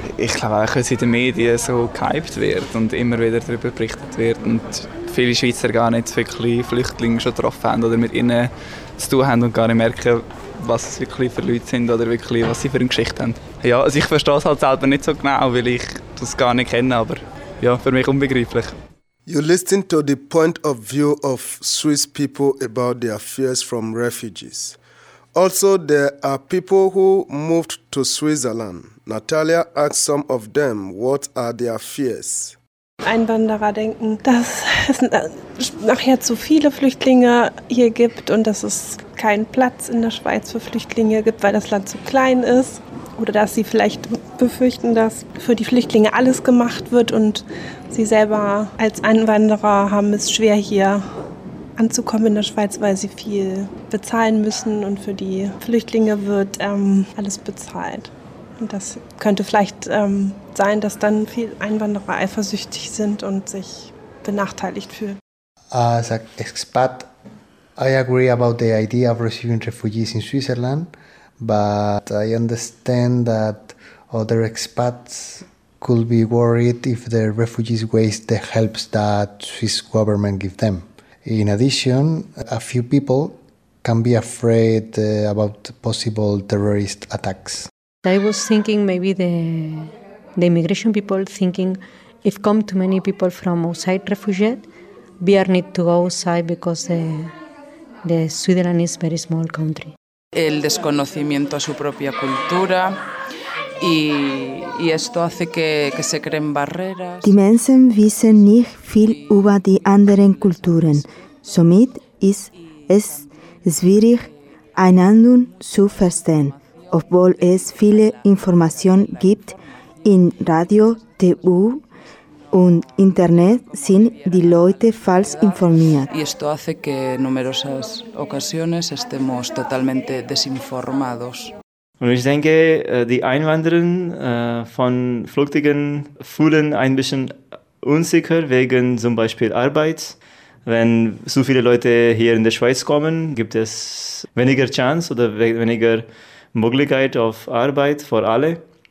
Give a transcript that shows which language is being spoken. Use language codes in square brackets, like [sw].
[de] Ich glaube, wenn es in den Medien so gehypt wird und immer wieder darüber berichtet wird und viele Schweizer gar nicht wirklich Flüchtlinge schon getroffen haben oder mit ihnen zu tun haben und gar nicht merken, was es wirklich für Leute sind oder wirklich, was sie für eine Geschichte haben. Ja, also ich verstehe es halt selber nicht so genau, weil ich das gar nicht kennen, aber ja, für mich unbegreiflich. [en] You listen to the point of view of Swiss people about their fears from refugees. Also, there are people who moved to Switzerland. Natalia asked some of them, what are their fears? Einwanderer denken, dass es nachher zu viele Flüchtlinge hier gibt und dass es keinen Platz in der Schweiz für Flüchtlinge gibt, weil das Land zu klein ist. Oder dass sie vielleicht befürchten, dass für die Flüchtlinge alles gemacht wird und sie selber als Einwanderer haben es schwer, hier anzukommen in der Schweiz, weil sie viel bezahlen müssen und für die Flüchtlinge wird alles bezahlt. Und das könnte vielleicht sein, dass dann viele Einwanderer eifersüchtig sind und sich benachteiligt fühlen. As an expat, I agree about the idea of receiving refugees in Switzerland, but I understand that other expats could be worried if the refugees waste the help that Swiss government give them. In addition, a few people can be afraid about possible terrorist attacks. I was thinking maybe the immigration people thinking if come too many people from outside refugees, we are need to go outside because the Switzerland is a very small country. [es] El desconocimiento a su propia cultura y esto hace que se creen barreras. [de] Die Menschen wissen nicht viel über die anderen Kulturen. Somit ist es schwierig, einander zu verstehen. Obwohl es viele Informationen gibt, in Radio, TV und Internet sind die Leute falsch informiert. [es] Y esto hace que en numerosas ocasiones estemos totalmente desinformados. [de] Und ich denke, die Einwanderer von Flüchtlingen fühlen ein bisschen unsicher wegen zum Beispiel Arbeit. Wenn so viele Leute hier in der Schweiz kommen, gibt es weniger Chance oder weniger Möglichkeit auf Arbeit für alle.